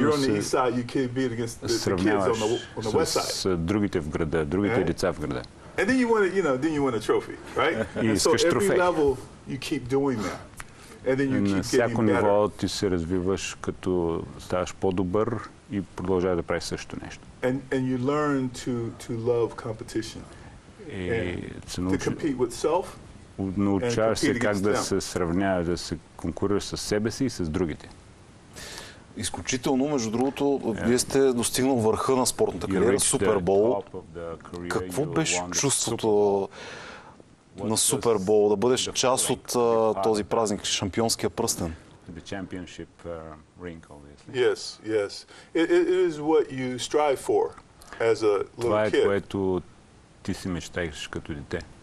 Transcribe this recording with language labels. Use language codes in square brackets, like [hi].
[en] you're on the east side, you can beat against the kids on the west side. [bg] С другите в града, другите деца в града. [en] And then you win a trophy, right? [bg] Искаш трофей. [en] So every level you keep doing that. And then you keep getting [bg] всяко ниво ти се развиваш, като ставаш по-добър и продължаваш да правиш същото нещо. [en] And you learn to love competition. And to compete with self. [bg] Научаваш се как да се сравняваш, да се конкурираш с себе си и с другите. Изключително, между другото, вие сте достигнал върха на спортната кариера, супербол. Какво беше чувството на супербол, да бъдеш част от този празник, шампионския пръстен? [en] The championship ring, obviously. Yes, yes. It is what you strive for as a little kid. [bg] Това е, което ти си мечтаеш като дете.